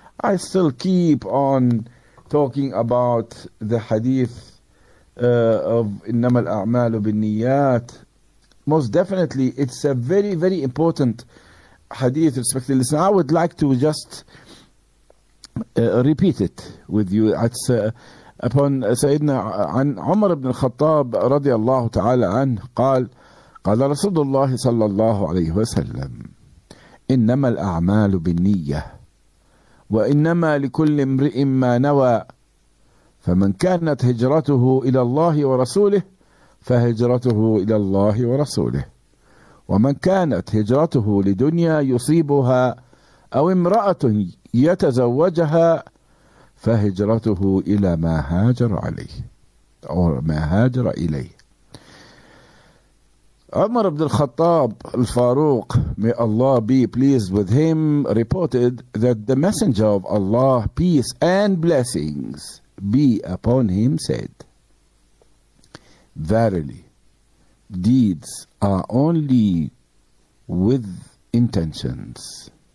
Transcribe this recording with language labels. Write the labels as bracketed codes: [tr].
[en] I still keep on talking about the hadith of [ar] innama al-a'malu bin-niyyat. [en] Most definitely, it's a very, very important hadith, respectfully. Listen, I would like to just repeat it with you. It's upon Sayyidina [ar] عن عمر بن الخطاب رضي الله تعالى عنه قال قال رسول الله صلى الله عليه وسلم إنما الأعمال بالنية وإنما لكل امرئ ما نوى فمن كانت هجرته إلى الله ورسوله فهجرته إلى الله ورسوله ومن كانت هجرته لدنيا يصيبها أو امرأة يتزوجها فهجرته إلى ما هاجر عليه أو ما هاجر إليه. [en] Umar ibn al-Khattab al-Faruq, may Allah be pleased with him, reported that the Messenger of Allah, peace and blessings be upon him, said, verily, deeds are only with intentions.